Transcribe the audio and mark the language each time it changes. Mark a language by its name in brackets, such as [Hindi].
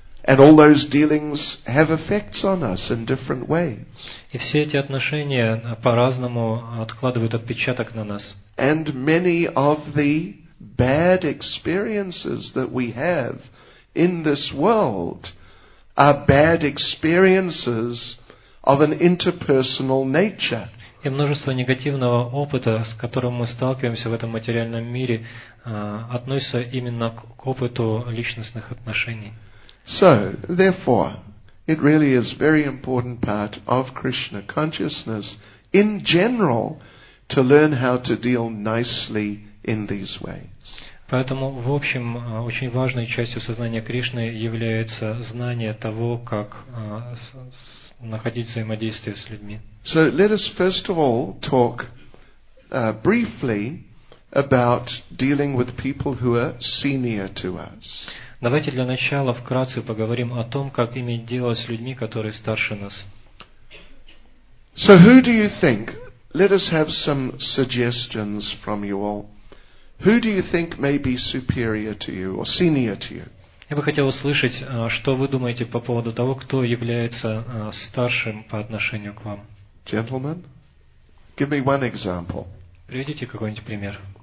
[English] And all those dealings have effects on us in different ways. [Russian] И все эти отношения по-разному откладывают отпечаток на нас. [English] And many of the bad experiences that we have in this world are bad experiences of an interpersonal nature. [Russian] И множество негативного опыта, с которым мы сталкиваемся в этом материальном мире, относится именно к опыту личностных отношений. [English] So, therefore, it really is very important part of Krishna consciousness in general to learn how to deal nicely in these ways. [Russian] Поэтому, в общем, очень важной частью сознания Кришны является знание того, как находить взаимодействие с людьми. [English] So let us first of all talk briefly about dealing with people who are senior to us. [Russian] Давайте для начала вкратце поговорим о том, как иметь дело с людьми, которые старше нас. [English] So who do you think? Let us have some suggestions from you all. Who do you think may be superior to you or senior to you? [Russian] Я бы хотел услышать, что вы думаете по поводу того, кто является старшим по отношению к вам. [English] Gentlemen, give me one example. [Russian] Приведите какой-нибудь пример.